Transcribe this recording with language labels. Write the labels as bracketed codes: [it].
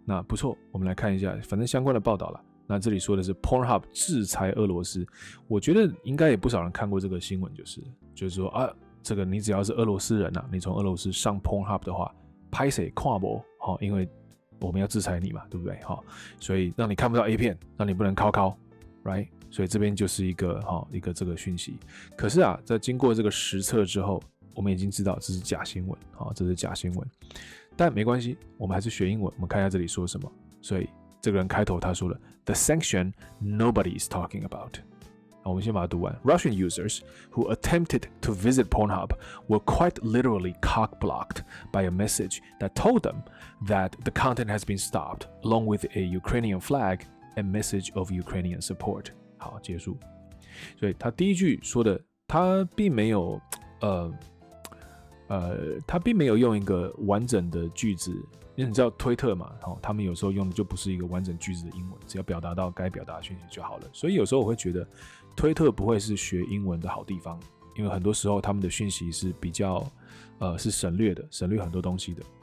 [zh] 那不错，我们来看一下，反正相关的报道了。那这里说的是 Pornhub 制裁俄罗斯，我觉得应该也不少人看过这个新闻，就是说啊，这个你只要是俄罗斯人啊，你从俄罗斯上 Pornhub 的话，拍谁跨博哈，因为我们要制裁你嘛，对不对哈？所以让你看不到 A 片，让你不能考考 ，right？ 所以这边就是一个好一个这个讯息，可是啊，在经过这个实测之后，我们已经知道这是假新闻，好，这是假新闻，但没关系，我们还是学英文，我们看一下这里说什么。所以这个人开头他说了 ， [en] The sanction nobody is talking about。 [zh] 我们先把它读完 [en] ，Russian users who attempted to visit Pornhub were quite literally cock-blocked by a message that told them that the content has been stopped, along with a Ukrainian flag and message of Ukrainian support。 [zh] 好，结束。所以他第一句说的，他并没有，他并没有用一个完整的句子。因为你知道推特嘛，哦，他们有时候用的就不是一个完整句子的英文，只要表达到该表达的讯息就好了。所以有时候我会觉得，推特不会是学英文的好地方，因为很多时候他们的讯息是比较，是省略的，省略很多东西的。